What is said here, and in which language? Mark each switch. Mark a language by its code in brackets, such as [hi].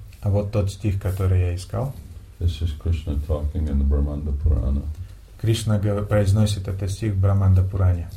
[ru] А вот тот стих, который я искал. [en] This is Krishna talking in the Brahmanda Purana. [ru] Кришна произносит этот стих в Брахманда Пуране.